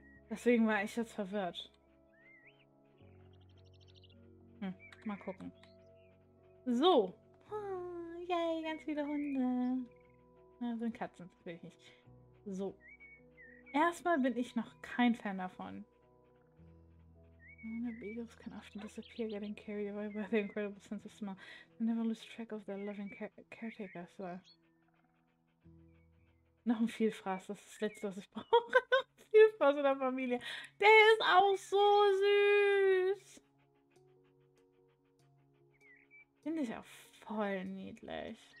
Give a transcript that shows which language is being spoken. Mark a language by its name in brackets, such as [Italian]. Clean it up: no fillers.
[German] Deswegen war ich jetzt verwirrt. Mal gucken. So. Yay, ganz viele Hunde. Na, sind Katzen, das will ich nicht. So. Erstmal bin ich noch kein Fan davon. [English] Beagles can often disappear, getting carried away by the incredible sense of smell. They never lose track of their loving caretakers. [German] So. Noch ein Vielfraß, das ist das Letzte, was ich brauche. Vielfraß in der Familie. Der ist auch so süß. Finde ich auch voll niedlich.